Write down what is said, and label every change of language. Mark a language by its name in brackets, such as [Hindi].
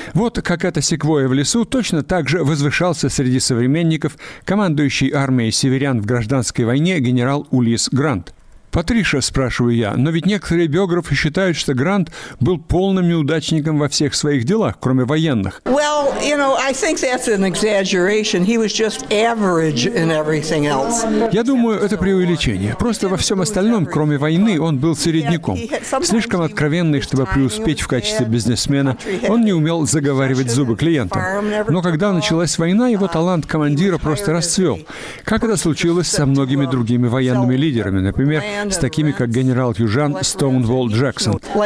[Russian] Вот как эта секвойя в лесу точно так же возвышался среди современников командующий армией северян в гражданской войне генерал Улисс Грант. «Патриша, — спрашиваю я, — но ведь некоторые биографы считают, что Грант был полным неудачником во всех своих делах, кроме военных». [English] Well, you know, I think that's an exaggeration. He was just average in everything else. [Russian] Я думаю, это преувеличение. Просто во всем остальном, кроме войны, он был середняком. Слишком откровенный, чтобы преуспеть в качестве бизнесмена. Он не умел заговаривать зубы клиентам. Но когда началась война, его талант командира просто расцвел. Как это случилось со многими другими военными лидерами, например, с такими, как генерал-южан Стоунволл Джексон.